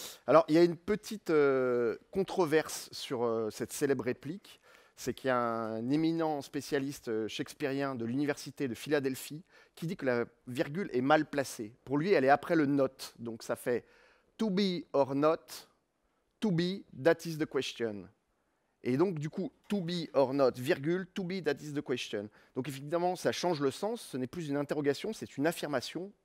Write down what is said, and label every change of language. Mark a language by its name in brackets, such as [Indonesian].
[French] Alors, il y a une petite controverse sur cette célèbre réplique, c'est qu'il y a un éminent spécialiste shakespearien de l'université de Philadelphie qui dit que la virgule est mal placée. Pour lui, elle est après le not, donc ça fait « [English] to be or not ». To be, that is the question. [French] Et donc, du coup, [English] to be or not, virgule, to be, that is the question. [French] Donc, évidemment, ça change le sens. Ce n'est plus une interrogation, c'est une affirmation.